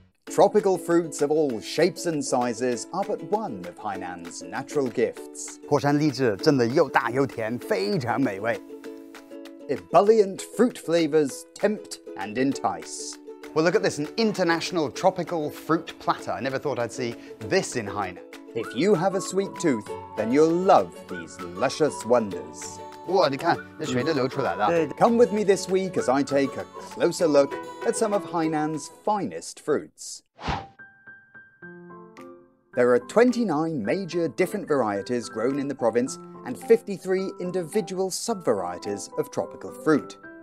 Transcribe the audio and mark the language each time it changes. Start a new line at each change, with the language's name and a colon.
English: tropical fruits of all shapes and sizes are but one of Hainan's natural gifts.
Chinese: 火山荔枝真的又大又甜，非常美味。
English: Ebullient fruit flavors tempt and entice. Well, look at this, an international tropical fruit platter. I never thought I'd see this in Hainan. If you have a sweet tooth, then you'll love these luscious wonders.
Chinese: 哇，你看，那水都流出来了。
English: Come with me this week as I take a closer look at some of Hainan's finest fruits. There are 29 major different varieties grown in the province and 53 individual sub-varieties of tropical fruit.